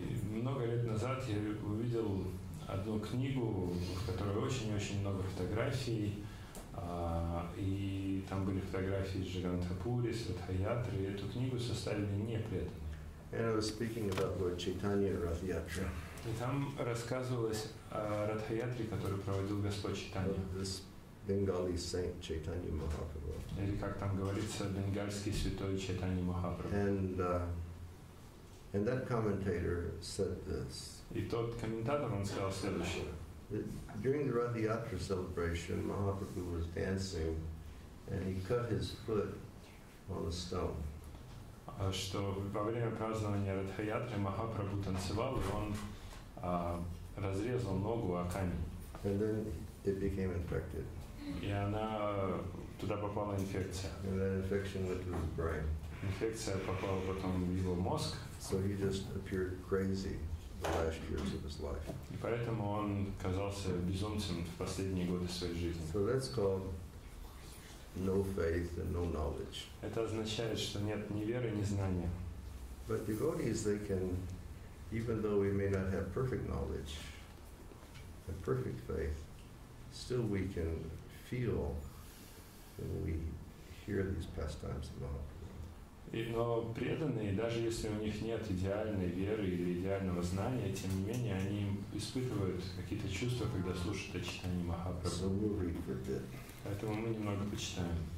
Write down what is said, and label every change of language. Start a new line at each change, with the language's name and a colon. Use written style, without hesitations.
Russian: Много лет назад я увидел одну книгу, в которой очень-очень много фотографий, и там были фотографии Джаганнатха Пури, Сватхаятры, и эту книгу составили не преданные.
English: And I was speaking about Lord Chaitanya Rathyatra.
Russian: И там рассказывалось о Радхаятре, который проводил Господь Чайтанья.
English: This Bengali saint Chaitanya Mahaprabhu.
Russian: Или как там говорится, бенгальский святой Чайтанья Махапрабху.
English: And that commentator said this.
Russian: И тот комментатор, он сказал следующее.
English: During the Rath Yatra celebration, Mahaprabhu was dancing, and he cut his foot on a stone.
Russian: Что во время празднования Рath Yatra Махапрабху танцевал, и он разрезал ногу о камень.
English: And then it became infected.
Russian: И она туда попала инфекция.
English: And that infection went to his brain.
Russian: Инфекция попала потом в его мозг.
English: So he just appeared crazy the last years of his life.
Russian: И поэтому он казался безумцем в последние годы своей жизни.
English: So that's called no faith and no knowledge.
Russian: Это означает, что нет ни веры, ни знания.
English: But devotees, they can, even though we may not have perfect knowledge and perfect faith, still we can feel when we hear these pastimes of Mahaprabhu.
Russian: Но преданные, даже если у них нет идеальной веры или идеального знания, тем не менее они испытывают какие-то чувства, когда слушают о читании Махапрабху. Поэтому мы немного почитаем.